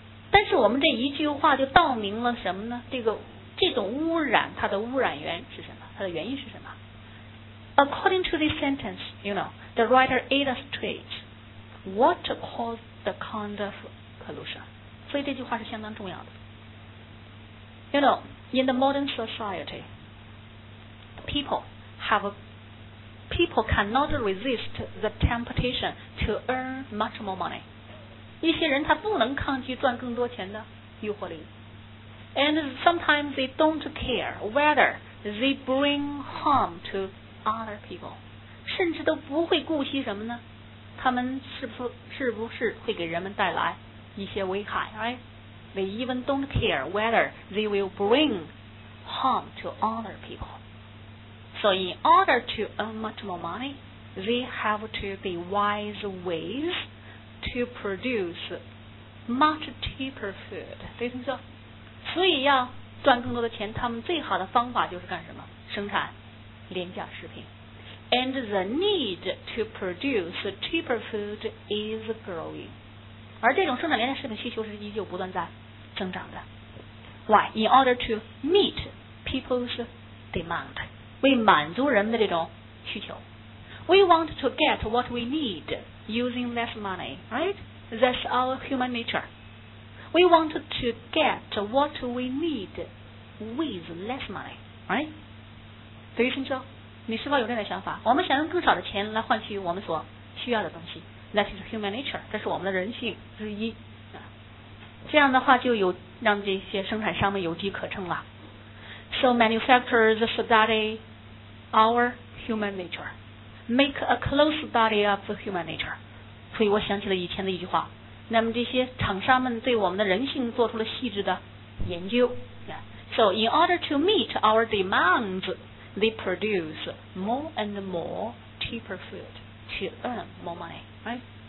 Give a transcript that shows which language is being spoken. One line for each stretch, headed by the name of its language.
Chinese: 但是我们这一句话就道明了什么呢？这种污染它的污染源是什么？它的原因是什么？
English: According to this sentence, you know, the writer illustrates what caused the kind of pollution.
Chinese: 所以这句话是相当重要的。
English: You know, in the modern society, people have people cannot resist the temptation to earn much more money.
Chinese: 一些人他不能抗拒赚更多钱的诱惑力。
English: And sometimes they don't care whether they bring harm to other people.
Chinese: 甚至都不会顾惜什么呢？他们是不是会给人们带来一些危害 ？
English: Right? They even don't care whether they will bring harm to other people. So in order to earn much more money, they have to be wise ways to produce much cheaper food.
Chinese: 对没错。所以要赚更多的钱，他们最好的方法就是干什么？生产廉价食品。
English: And the need to produce cheaper food is growing.
Chinese: 而这种生产廉价食品需求是依旧不断在增长的。
English: Why? In order to meet people's demand.
Chinese: 为满足人们的这种需求。
English: We want to get what we need using less money, right? That's our human nature. We want to get what we need with less money, right?
Chinese: 对于生肖。你是否有这样的想法？我们想用更少的钱来换取我们所需要的东西。
English: That is human nature.
Chinese: 这是我们的人性之一。这样的话就有让这些生产商们有机可乘了。
English: So manufacturers study our human nature. Make a close study of human nature.
Chinese: 所以我想起了以前的一句话。那么这些厂商们对我们的人性做出了细致的研究。
English: So in order to meet our demands,They produce more and more cheaper food to earn more money, right?